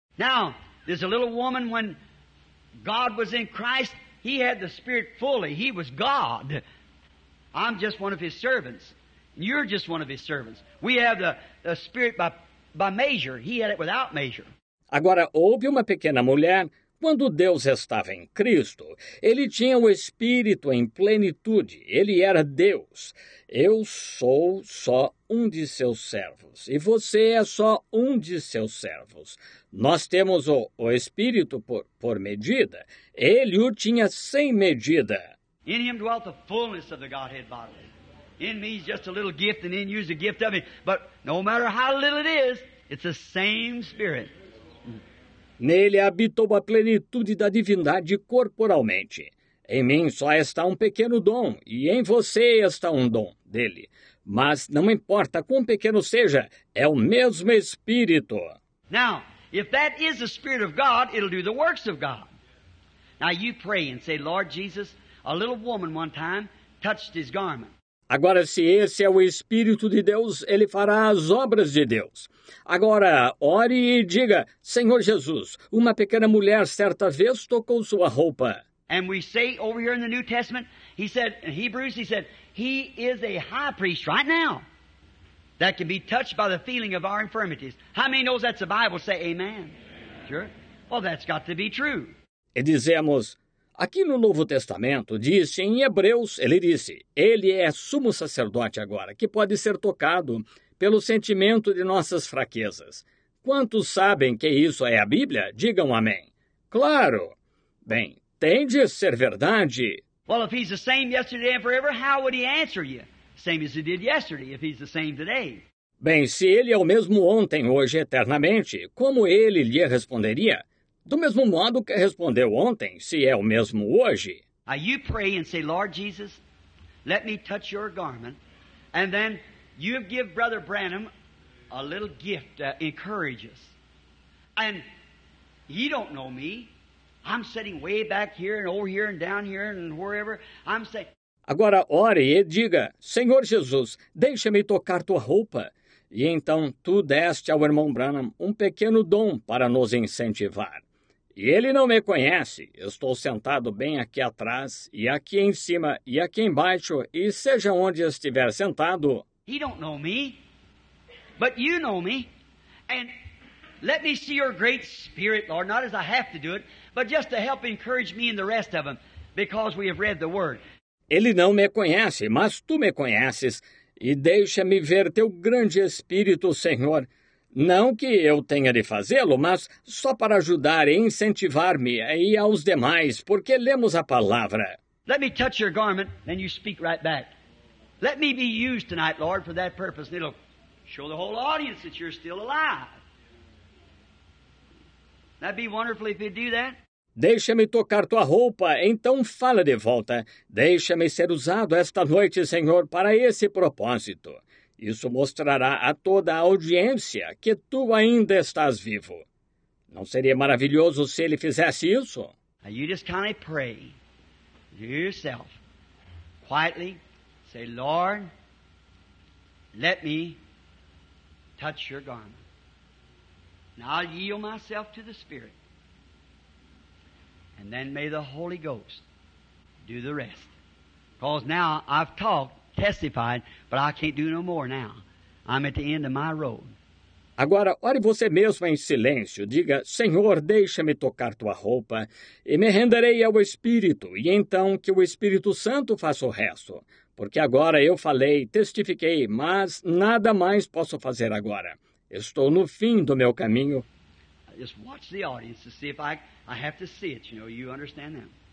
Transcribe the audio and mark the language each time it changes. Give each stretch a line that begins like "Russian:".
English: Now, there's a little woman when God was in Christ, he had the Spirit fully, he was God. I'm just one of his servants. You're just one of his servants. We have the Spirit by measure. He had it without measure.
Portuguese: Agora, houve uma pequena mulher, quando Deus estava em Cristo, ele tinha o Espírito em plenitude, ele era Deus. Eu sou só um de seus servos, e você é só um de seus servos. Nós temos o Espírito por medida, ele o tinha sem medida.
English: In him dwelt the fullness of the Godhead bodily. In me is just a little gift, and in you is a gift of me. But no matter how little it is, it's the same Spirit.
Portuguese: Nele habitou a plenitude da divindade corporalmente. Em mim só está um pequeno dom, e em você está um dom dele. Mas não importa quão pequeno seja, é o mesmo Espírito.
English: Now, if that is the Spirit of God, it'll do the works of God. Now you pray and say, Lord Jesus, a little woman one time touched his garment.
Portuguese: Agora, se esse é o Espírito de Deus, ele fará as obras de Deus. Agora, ore e diga, Senhor Jesus, uma pequena mulher certa vez tocou sua roupa.
English: And we say over here in the New Testament, he said, in Hebrews, he said, he is a high priest right now that can be touched by the feeling of our infirmities. How many knows that's the Bible? Say amen. Sure. Well, that's got to be true.
Portuguese: E dizemos, aqui no Novo Testamento, diz em Hebreus, ele disse, ele é sumo sacerdote agora, que pode ser tocado pelo sentimento de nossas fraquezas. Quantos sabem que isso é a Bíblia? Digam amém. Claro. Bem, tem de ser verdade.
English: Well, if he's the same yesterday and forever, how would he answer you? Same as he did yesterday, if he's the same today.
Portuguese: Bem, se ele é o mesmo ontem, hoje, eternamente, como ele lhe responderia? Do mesmo modo que respondeu ontem, se é o mesmo hoje.
English: Now you pray and say, Lord Jesus, let me touch your garment. And then you give Brother Branham a little gift to encourage us. And you don't know me. I'm sitting way back here and over here and down here and wherever. I'm saying.
Portuguese: Agora ore e diga, Senhor Jesus, deixa-me tocar tua roupa. E então tu deste ao irmão Branham um pequeno dom para nos incentivar. E ele não me conhece. Estou sentado bem aqui atrás, e aqui em cima, e aqui embaixo, e seja onde estiver sentado.
English: He don't know me, but you know me. And let me see your great spirit, Lord, not as I have to do it, but just to help encourage me and the rest of them, because we have read the word.
Portuguese: Ele não me conhece, mas tu me conheces, e deixa-me ver teu grande espírito, Senhor. Não que eu tenha de fazê-lo, mas só para ajudar e incentivar-me e aos demais, porque lemos a palavra.
English: Let me touch your garment, and you speak right back. Let me be used tonight, Lord, for that purpose, and it'll show the whole audience that you're still alive. That'd be wonderful if you'd do that.
Portuguese: Deixa-me tocar tua roupa, então fala de volta. Deixa-me ser usado esta noite, Senhor, para esse propósito. Isso mostrará a toda a audiência que tu ainda estás vivo. Não seria maravilhoso se ele fizesse isso?
English: You just kind of pray to yourself, quietly, say, Lord, let me touch your garment. And I'll yield myself to the Spirit. And then may the Holy Ghost do the rest. Because now I've talked. Testified, but I can't do no more now. I'm at the end of my road.
Portuguese: Agora, ore você mesmo em silêncio. Diga, Senhor, deixa-me tocar tua roupa e me renderei ao Espírito. E então que o Espírito Santo faça o resto. Porque agora eu falei, testifiquei, mas nada mais posso fazer agora. Estou no fim do meu caminho.
English: Just watch the audience to see if I have to see it. You know, you understand them.